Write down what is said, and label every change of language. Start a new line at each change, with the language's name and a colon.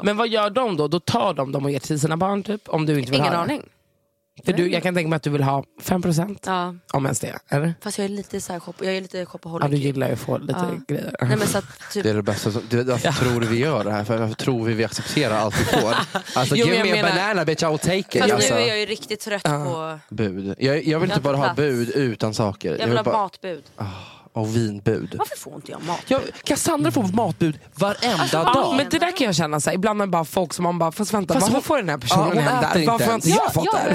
Swedish: Men vad gör de då? Då tar de dem och ger till sina barn typ, om du inte vill. Ingen aning. För du, jag kan tänka mig att du vill ha 5%. Ja. Om ens det, eller? Fast jag är lite så här, jag är lite shopaholic. Ja, du gillar ju att få lite grejer. Nej, men så att, typ... Det är det bästa som, tror vi gör det här, för varför tror vi accepterar allt vi får? Alltså, jo,
English: give me a banana, bitch, I'll take it.
Swedish: Fast alltså. Nu är jag ju riktigt trött på bud. Jag vill inte bara ha bud utan saker. Jag vill ha matbud. Och vinbud. Varför får inte jag matbud? Cassandra får matbud varenda dag. Men det där kan jag känna sig. Ibland är bara folk som man bara, fast vänta, fast varför får den här personen hem där? Varför har inte jag fått det?